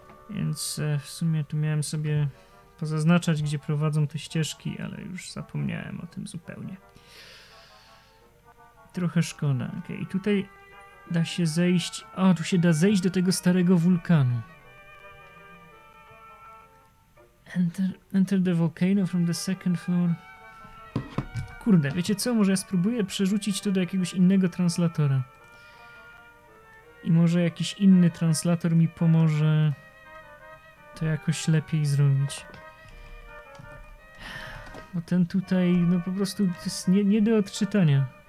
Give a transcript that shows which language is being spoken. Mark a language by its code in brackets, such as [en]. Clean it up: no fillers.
[pl] Więc w sumie tu miałem sobie pozaznaczać, gdzie prowadzą te ścieżki, ale już zapomniałem o tym zupełnie. Trochę szkoda. Okej, okay, tutaj da się zejść... O, tu się da zejść do tego starego wulkanu. [en] Enter the volcano from the second floor. [pl] Kurde, wiecie co? Może ja spróbuję przerzucić to do jakiegoś innego translatora. I może jakiś inny translator mi pomoże to jakoś lepiej zrobić. Bo ten tutaj, no po prostu jest nie do odczytania.